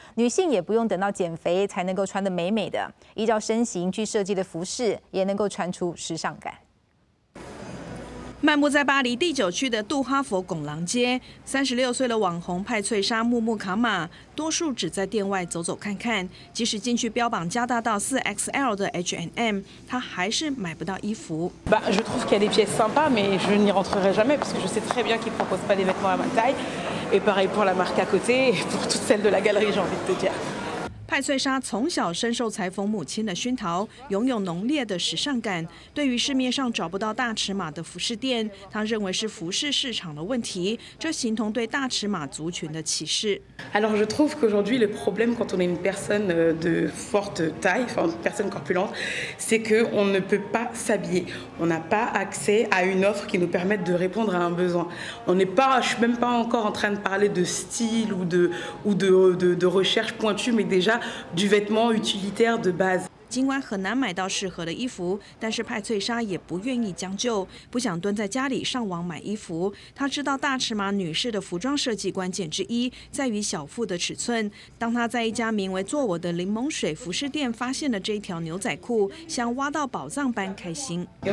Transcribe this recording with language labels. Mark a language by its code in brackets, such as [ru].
[zh] 女性也不用等到减肥才能够穿得美美的，依照身形去设计的服饰也能够穿出时尚感。漫步在巴黎第九区的杜哈佛拱廊街，36岁的网红派翠莎木木卡玛，多数只在店外走走看看。即使进去标榜加大到4XL 的 H&M， 她还是买不到衣服。 [fr] Bah, je trouve qu'il y a des pièces sympas, mais je n'y rentrerai jamais parce que je sais très bien qu'ils proposent pas des vêtements à ma taille. Et pareil pour la marque à côté, pour toutes celles de la galerie, j'ai envie de te dire. [zh] 派翠莎从小深受裁缝母亲的熏陶，拥有浓烈的时尚感。对于市面上找不到大尺码的服饰店，她认为是服饰市场的问题，这形同对大尺码族群的歧视。 [fr] Alors, je trouve qu'aujourd'hui le problème quand on est une personne de forte taille, enfin une personne corpulente, c'est que on ne peut pas s'habiller. On n'a pas accès à une offre qui nous permette de répondre à un besoin. On n'est pas, je suis même pas encore en train de parler de style ou de recherche pointue, mais déjà du vêtement utilitaire de base. [zh] 尽管很难买到适合的衣服，但是派翠莎也不愿意将就，不想蹲在家里上网买衣服。她知道大尺码女士的服装设计关键之一在于小腹的尺寸。当她在一家名为做我的柠檬水服饰店发现了这条牛仔裤，像挖到宝藏般开心。